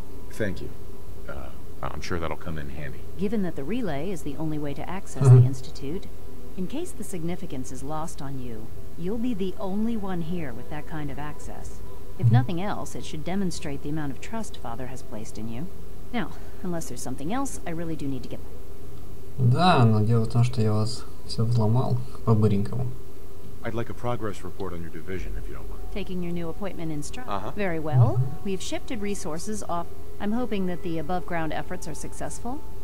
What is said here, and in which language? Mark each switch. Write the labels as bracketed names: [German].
[English] Thank you. I'm sure that'll come in handy. Given that the relay is the only way to access the Institute, in case the significance is lost on you, you'll be the only one here with that kind of access. If nothing else, it should demonstrate the amount of trust Father has placed in you. Now, unless there's something else, I really do need to get... [Russian] Да, но дело в том, что я вас все взломал по-быренькому. [English] I'd like a progress report on your division, if you don't mind. Taking your new appointment in stride. Uh-huh. Very well. We've shifted resources off... I'm hoping that the above-ground efforts are successful.